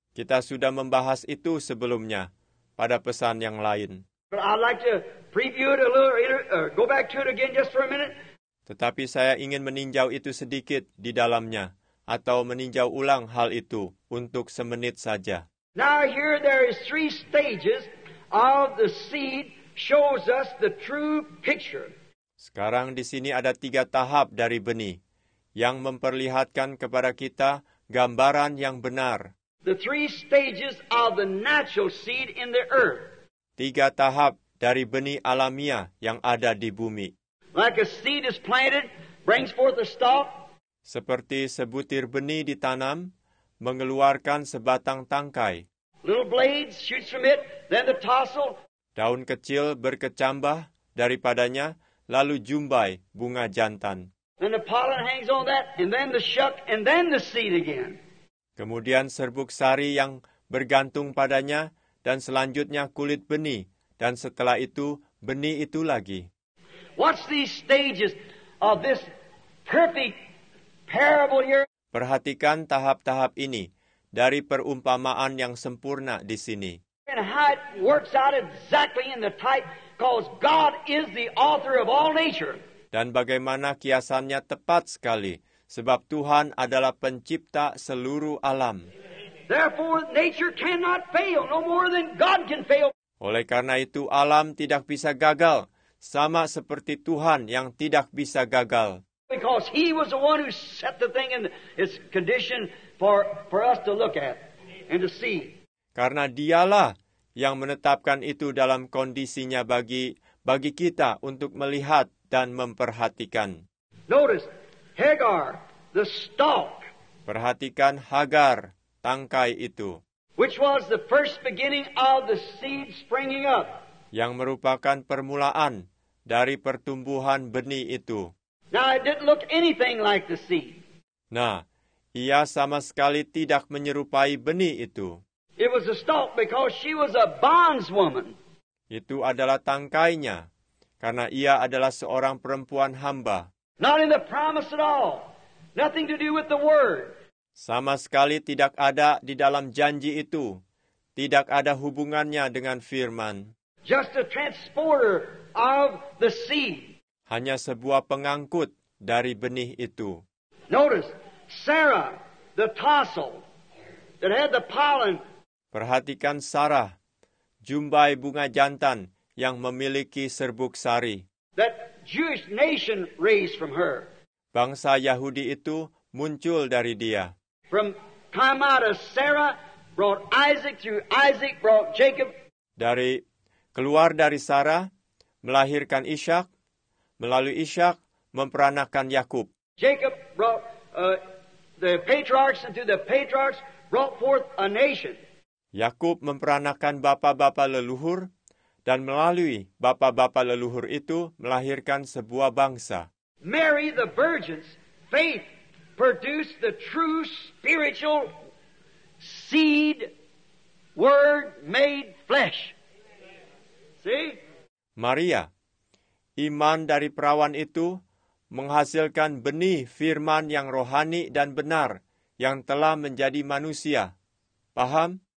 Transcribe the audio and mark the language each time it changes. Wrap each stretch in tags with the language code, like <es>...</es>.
<id>Kita sudah membahas itu sebelumnya pada pesan yang lain.</id> <en>But I'd like to preview it a little, or go back to it again just for a minute.</en> <id>Tetapi saya ingin meninjau itu sedikit di dalamnya atau meninjau ulang hal itu untuk semenit saja.</id> <en>Now here there is three stages of the seed shows us the true picture.</en> <id>Sekarang di sini ada tiga tahap dari benih yang memperlihatkan kepada kita gambaran yang benar.</id> <en>The three stages of the natural seed in the earth.</en> <id>Tiga tahap dari benih alamiah yang ada di bumi.</id> <en>Like a seed is planted, brings forth a stalk.</en> <id>Seperti sebutir benih ditanam, mengeluarkan sebatang tangkai.</id> <en>Little blades shoots from it, then the tassel.</en> <id>Daun kecil berkecambah daripadanya, lalu jumbai bunga jantan.</id> <en>Then the pollen hangs on that, and then the shuck, and then the seed again.</en> <id>Kemudian serbuk sari yang bergantung padanya, dan selanjutnya kulit benih, dan setelah itu benih itu lagi.</id> <en>Watch these stages of this perfect parable here.</en> <id>Perhatikan tahap-tahap ini dari perumpamaan yang sempurna di sini.</id> <en>And how it works out exactly in the type, because God is the author of all nature.</en> <id>Dan bagaimana kiasannya tepat sekali, sebab Tuhan adalah pencipta seluruh alam.</id> <en>Therefore, nature cannot fail, no more than God can fail.</en> <id>Oleh karena itu, alam tidak bisa gagal, sama seperti Tuhan yang tidak bisa gagal.</id> <en>Because he was the one who set the thing in its condition for us to look at and to see.</en> <id>Karena dialah yang menetapkan itu dalam kondisinya bagi kita untuk melihat dan memperhatikan.</id> <en>Notice Hagar, the stalk.</en> <id>Perhatikan Hagar, tangkai itu.</id> <en>Which was the first beginning of the seed springing up.</en> <id>Yang merupakan permulaan dari pertumbuhan benih itu.</id> <en>Now it didn't look anything like the seed.</en> <id>Nah, ia sama sekali tidak menyerupai benih itu.</id> <en>It was a stalk because she was a bondswoman.</en> <id>Itu adalah tangkainya, karena ia adalah seorang perempuan hamba.</id> <en>Not in the promise at all, Nothing to do with the word.</en> <id>Sama sekali tidak ada di dalam janji itu. Tidak ada hubungannya dengan firman.</id> <en>Just a transporter of the seed.</en> <id>Hanya sebuah pengangkut dari benih itu.</id> <en>Notice Sarah, the tassel that had the pollen.</en> <id>Perhatikan Sarah, jumbai bunga jantan yang memiliki serbuk sari.</id> <en>That Jewish nation raised from her.</en> <id>Bangsa Yahudi itu muncul dari dia.</id> <en>From time out of Sarah brought Isaac, through Isaac brought Jacob.</en> <id>Dari keluar dari Sarah melahirkan Ishak, melalui Ishak memperanakkan Yakub.</id> <en>Jacob brought the patriarchs, and through the patriarchs brought forth a nation.</en> <id>Yakub memperanakkan bapa-bapa leluhur, dan melalui bapa-bapa leluhur itu melahirkan sebuah bangsa.</id> <en>Mary the virgin's faith produced the true spiritual seed word made flesh. See?</en> <id>Maria, iman dari perawan itu menghasilkan benih firman yang rohani dan benar yang telah menjadi manusia. Paham?</id>